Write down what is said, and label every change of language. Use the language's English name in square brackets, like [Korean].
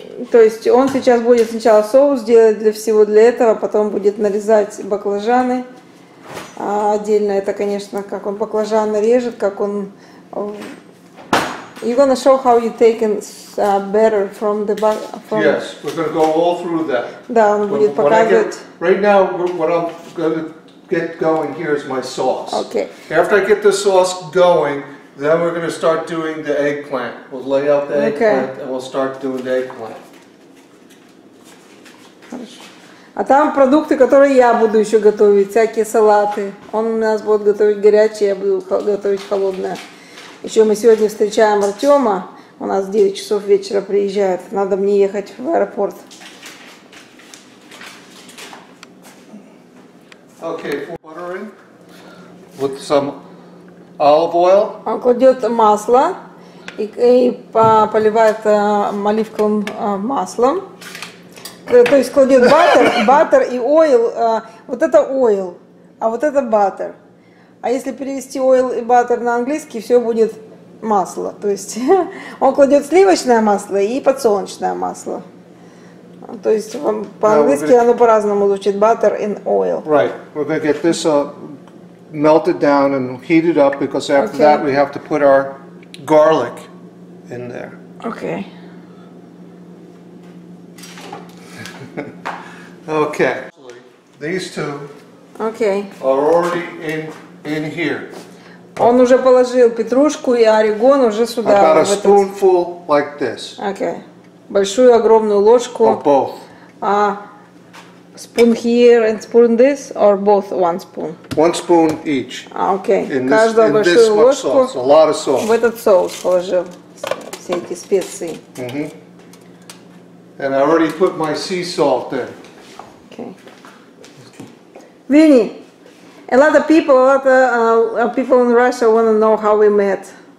[Russian] То есть он сейчас будет сначала соус делать для всего для этого, потом будет нарезать баклажаны. А отдельно это, конечно, как он баклажаны режет, как он... [English] You're gonna show how you take batter from the from... Yes, we're gonna go all through that. [Russian] Да, он будет показывать. [English] Right now, what I'm gonna get going here is my sauce. Okay. After I get the sauce going, then we're gonna start doing the eggplant. We'll lay out the eggplant and we'll start doing the eggplant. [Russian] А там продукты, которые я буду еще готовить, всякие салаты. Он у нас будет готовить горячее, я буду готовить холодное. Еще мы сегодня встречаем Артема. У нас 9 часов вечера приезжает. Надо мне ехать в аэропорт. [English] Okay, watering with some olive oil. [Russian] Он кладет масло и поливает оливковым маслом. То есть кладет баттер и ойл. Вот это ойл, а вот это баттер. А если перевести ойл и баттер на английский, все будет масло. То есть он кладет сливочное масло и подсолнечное масло. То есть по-английски оно по-разному звучит. Баттер и ойл. [English] Right. We're going to get this melted down and heated up, because after that we have to put our garlic in there. Okay. Okay. These two are already in here. [Russian] Он уже положил петрушку и орегон уже сюда. [English] About a spoonful like this. Okay. [Russian] Большую огромную ложку. [English] Of both. А spoon here and spoon this or both one spoon? One spoon each. [Russian] Okay. Каждую большую ложку. [English] A lot of salt. [Russian] В этот соус положил все эти специи. [English] And I already put my sea salt in. Vinny, a lot of people in Russia want to know how we met.